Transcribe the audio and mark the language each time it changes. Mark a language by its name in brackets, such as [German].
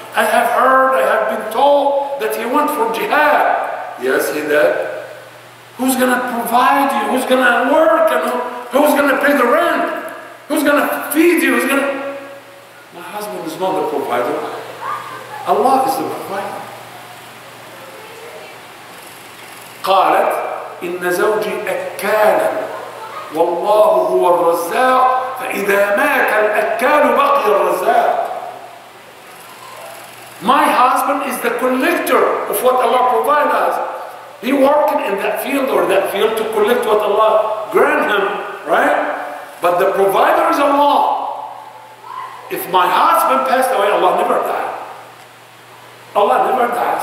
[English] I have heard, I have been told that he went for jihad. Yes, he did. Who's gonna provide you? Who's gonna work? And who's gonna pay the rent? Who's gonna feed you? Who's gonna? My husband is not the provider. Allah is the provider. [Arabic] قالت إن زوجي أكال والله هو الرزاق فإذا مات الأكال بقي الرزاق. [English] My husband is the collector of what Allah provides us. He working in that field or that field to collect what Allah grant him, right? But the provider is Allah. If my husband passed away, Allah never died. Allah never died.